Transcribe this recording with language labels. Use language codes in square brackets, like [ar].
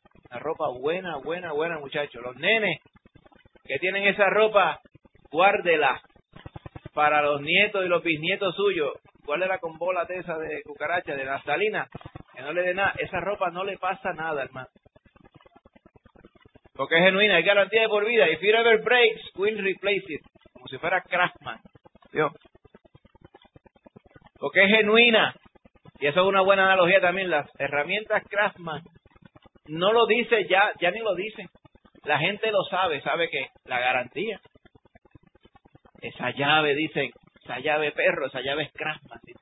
[es] La ropa buena, buena, buena, muchachos. Los nenes que tienen esa ropa, guárdela para los nietos y los bisnietos suyos. Guárdela con bola de esa de cucaracha, de naftalina, que no le dé nada. Esa ropa no le pasa nada, hermano. Porque es genuina, hay garantía de por vida. [en] If it ever breaks, we'll replace it. [es] Como si fuera Craftsman. Dios. Porque es genuina. Y eso es una buena analogía también. Las herramientas Craftsman no lo dice ya, ya ni lo dicen. La gente lo sabe, sabe que la garantía. Esa llave, dicen, esa llave perro, esa llave es Craftsman.